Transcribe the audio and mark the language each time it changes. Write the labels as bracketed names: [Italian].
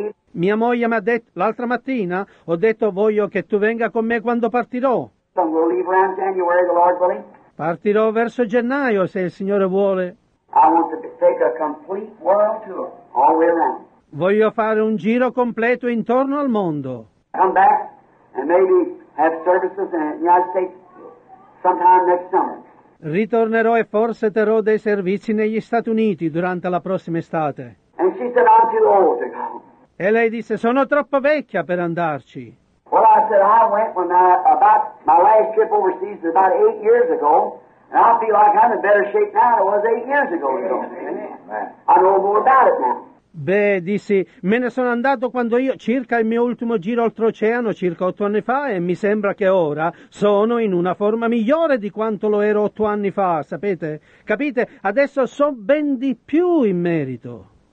[Italian] Mia moglie mi ha detto l'altra mattina, ho detto voglio che tu venga con me quando partirò. [English] So we'll leave around January, the Lord willing. [Italian] Partirò verso gennaio se il Signore vuole. [English] I want to take a complete world tour all the way around. [Italian] Voglio fare un giro completo intorno al mondo. [English] Come back and maybe have services in the United States sometime next summer. [Italian] Ritornerò e forse terrò dei servizi negli Stati Uniti durante la prossima estate. [English] And she said, I'm too old to go. [Italian] E lei disse, sono troppo vecchia per andarci. [English] Well, I said, I went when my last trip overseas was about 8 years ago, and I feel like I'm in better shape now than I was 8 years ago. Yeah. I know more about it now. [Italian] Beh, dissi, me ne sono andato quando io, circa il mio ultimo giro oltreoceano, circa 8 anni fa, e mi sembra che ora sono in una forma migliore di quanto lo ero 8 anni fa, sapete? Capite? Adesso so ben di più in merito.